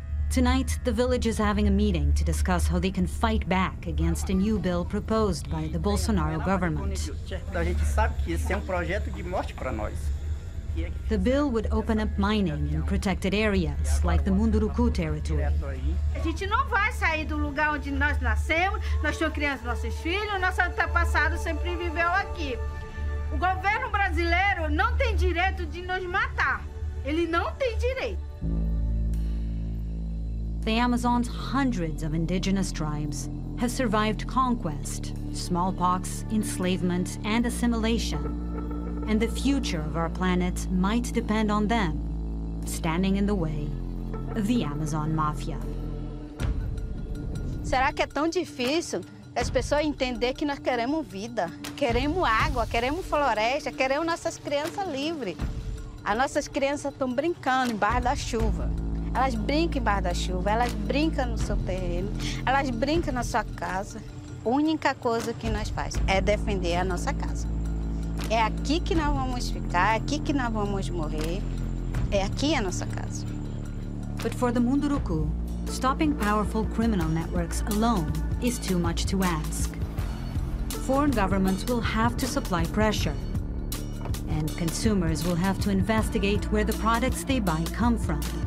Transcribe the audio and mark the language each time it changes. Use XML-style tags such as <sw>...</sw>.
<en>Tonight, the village is having a meeting to discuss how they can fight back against a new bill proposed by the Bolsonaro government. The bill would open up mining in protected areas like the Munduruku territory.</en> <pt>A gente não vai sair do lugar onde nós nascemos, nós temos crianças, nossos filhos, nosso antepassado sempre viveu aqui. O governo brasileiro não tem direito de nos matar. Ele não tem direito.</pt> <en>The Amazon's hundreds of indigenous tribes have survived conquest, smallpox, enslavement, and assimilation. And the future of our planet might depend on them standing in the way of the Amazon Mafia.</en> <pt>Será que é tão difícil as pessoas entender que nós queremos vida, queremos água, queremos floresta, queremos nossas crianças livres? As nossas crianças estão brincando embaixo da chuva. Elas brincam embaixo da chuva, elas brincam no seu terreno, elas brincam na sua casa. A única coisa que nós fazemos é defender a nossa casa. É aqui que nós vamos ficar, é aqui que nós vamos morrer. É aqui a nossa casa.</pt> <en>But for the Munduruku, stopping powerful criminal networks alone is too much to ask. Foreign governments will have to supply pressure. And consumers will have to investigate where the products they buy come from.</en>